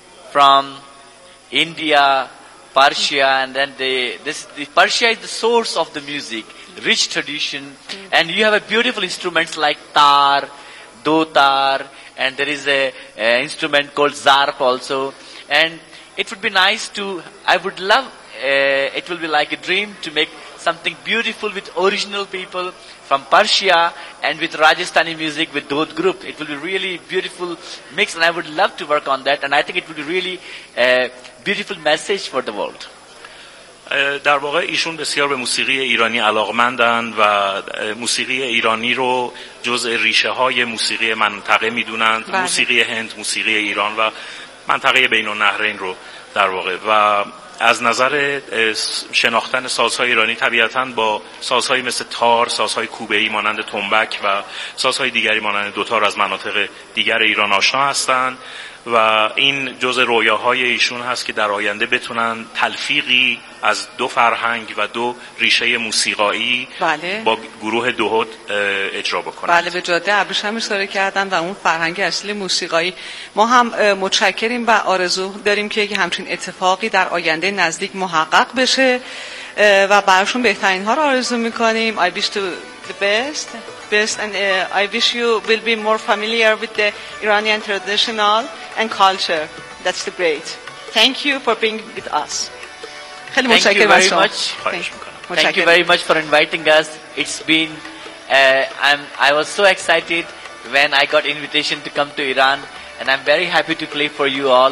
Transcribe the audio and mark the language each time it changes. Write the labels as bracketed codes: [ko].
[en] from India, Persia, and then the Persia is the source of the music, rich tradition, and you have a beautiful instruments like tar, dotar, and there is a instrument called zarf also, and it would be nice to, I would love, it will be like a dream to make something beautiful with original people from Persia and with Rajasthani music with Dod group. It will be really beautiful mix, and I would love to work on that, and I think it would be really a beautiful message for the world. [fa] در واقع ایشون بسیار به موسیقی ایرانی علاقمندند و موسیقی ایرانی رو جزء ریشه های موسیقی منطقه میدونند، موسیقی هند، موسیقی ایران و منطقه بین النهرین رو در واقع، و از نظر شناختن سازهای ایرانی طبیعتاً با سازهای مثل تار، سازهای کوبه‌ای مانند تنبک و سازهای دیگری مانند دوتار از مناطق دیگر ایران آشنا هستند و این جزء رویاهای ایشون هست که در آینده بتونن تلفیقی از دو فرهنگ و دو ریشه موسیقایی بله. با گروه دهود اجرا بکنند. بله، به جاده ابریشم اشاره کردن و اون فرهنگ اصلی موسیقایی. ما هم متشکریم و آرزو داریم که همچین اتفاقی در آینده نزدیک محقق بشه و براشون بهترین ها رو آرزو میکنیم. [en] I wish to the best. And I wish you will be more familiar with the Iranian traditional and culture. That's the great. Thank you for being with us. Thank you very much. Thank you very much for inviting us. It's been, I was so excited when I got invitation to come to Iran, and I'm very happy to play for you all.